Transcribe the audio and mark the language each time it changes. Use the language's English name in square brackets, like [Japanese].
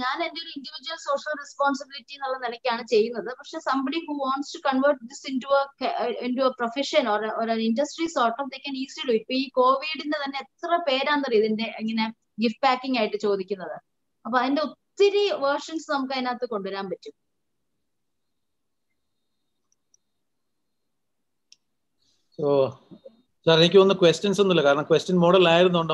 [Malayalam] ഞാൻ എന്റെ ഒരു ഇൻഡിവിജ്വൽ സോഷ്യൽ റെസ്പോൺസിബിലിറ്റി എന്നുള്ള നിലയ്ക്കാണ് ചെയ്യുന്നത്. [English] പക്ഷെ somebody who wants to convert this into a profession or an industry sort of, they can easily do it. [Malayalam] ഇപ്പൊ ഈ കോവിഡിന്റെ തന്നെ എത്ര പേരാണെന്നറിയോ ഇതിന്റെ ഇങ്ങനെ ഗിഫ്റ്റ് പാക്കിംഗ് ആയിട്ട് ചോദിക്കുന്നത്. അപ്പൊ അതിന്റെ ഒത്തിരി വേർഷൻസ് നമുക്ക് അതിനകത്ത് കൊണ്ടുവരാൻ പറ്റും. സോ സാർ, എനിക്ക് ഒന്ന് ക്വസ്റ്റ്യൻസ് ഒന്നുമില്ല, കാരണം ക്വസ്റ്റ്യൻ മോഡൽ ആയിരുന്നുണ്ട്.